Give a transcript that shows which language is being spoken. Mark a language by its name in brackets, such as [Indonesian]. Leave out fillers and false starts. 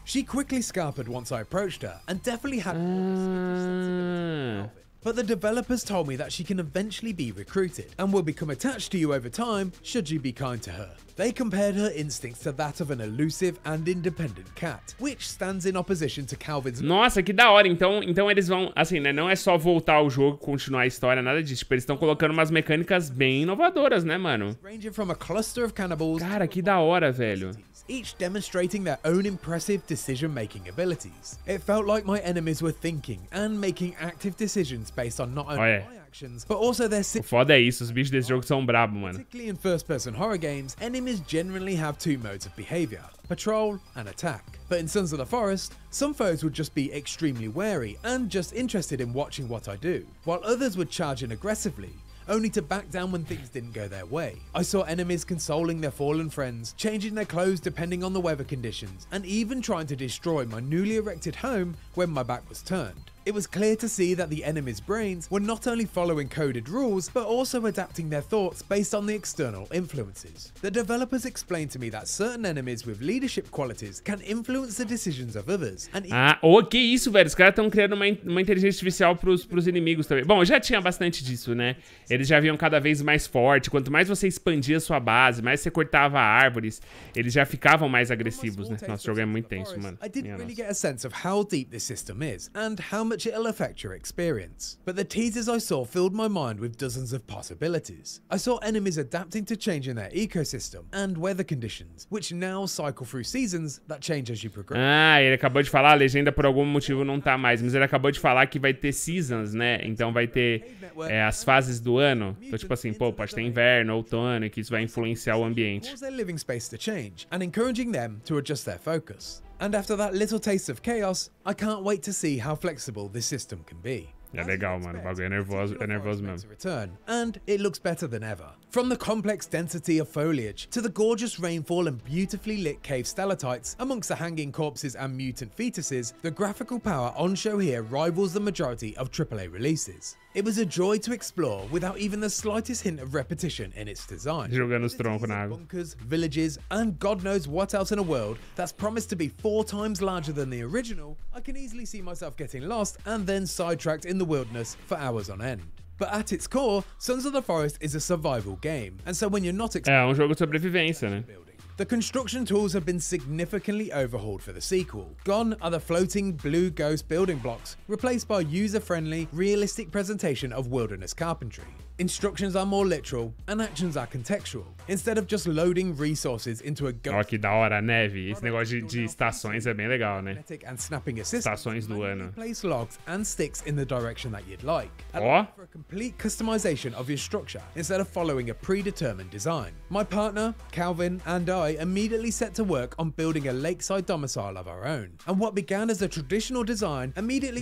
[English] She quickly scarpered once I approached her and definitely had more sensitive sensibility. But the developers told me that she can eventually be recruited and will become attached to you over time, should you be kind to her. They compared her instincts to that of an elusive and independent cat, which stands in opposition to Calvin's... [Portuguese] Nossa, que da hora. Então eles vão, assim, né? Não é só voltar ao jogo, continuar a história, nada disso. Tipo, eles estão colocando umas mecânicas bem inovadoras, né, mano? [English] Ranging from a cluster of cannibals... [Portuguese] Cara, que da hora, velho. [English] Each demonstrating their own impressive decision-making abilities. It felt like my enemies were thinking and making active decisions based on not only my actions, but also their... [Portuguese] O foda é isso, os bichos desse jogo são brabo, mano. [English] Particularly in first-person horror games, enemies generally have 2 modes of behavior, patrol and attack. But in Sons of the Forest, some foes would just be extremely wary and just interested in watching what I do, while others would charge in aggressively, only to back down when things didn't go their way. I saw enemies consoling their fallen friends, changing their clothes depending on the weather conditions, and even trying to destroy my newly erected home when my back was turned. It was clear to see that the enemy's brains were not only following coded rules, but also adapting their thoughts based on the external influences. The developers explained to me that certain enemies with leadership qualities can influence the decisions of others. [Portuguese] Que isso, velho? Os caras estão criando uma inteligência artificial pros inimigos também. Bom, já tinha bastante disso, né? Eles já vinham cada vez mais forte. Quanto mais você expandia sua base, mais você cortava árvores, eles já ficavam mais agressivos, né? Nosso jogo é muito tenso, mano. [English] I didn't really get a sense of how deep this system is and how much it'll affect your experience. But the teasers I saw filled my mind with dozens of possibilities. I saw enemies adapting to change in their ecosystem and weather conditions, which now cycle through seasons that change as you progress. [Portuguese] Ah, ele acabou de falar, a legenda por algum motivo não tá mais, mas ele acabou de falar que vai ter seasons, né? Então vai ter as fases do ano. Então, tipo assim, pô, pode ter inverno, outono, e que isso vai influenciar o ambiente. [English] Their living space to change and encouraging them to adjust their focus. And after that little taste of chaos, I can't wait to see how flexible this system can be. [Portuguese] É legal, mano. O bagulho é nervoso mesmo. [English] And it looks better than ever. From the complex density of foliage to the gorgeous rainfall and beautifully lit cave stalactites amongst the hanging corpses and mutant fetuses, the graphical power on show here rivals the majority of AAA releases. It was a joy to explore without even the slightest hint of repetition in its design. [Portuguese] Jogando os troncos na água. [English] Bunkers, villages, and God knows what else in a world that's promised to be 4 times larger than the original, I can easily see myself getting lost and then sidetracked in the wilderness for hours on end. But at its core, Sons of the Forest is a survival game, and so when you're not expecting... [Portuguese] É um jogo de sobrevivência, né? [English] The construction tools have been significantly overhauled for the sequel. Gone are the floating blue ghost building blocks, replaced by user-friendly, realistic presentation of wilderness carpentry. Instructions are more literal and actions are contextual. Instead of just loading resources into a ghost... [Portuguese] Olha que da hora, neve. Esse negócio de estações é bem legal, né? [English] And snapping [Portuguese] estações do ano. [English] Place logs and sticks in the direction that you'd like. Oh. For a complete customization of your structure instead of following a predetermined design. My partner, Calvin, and I immediately set to work on building a lakeside domicile of our own. And what began as a traditional design immediately...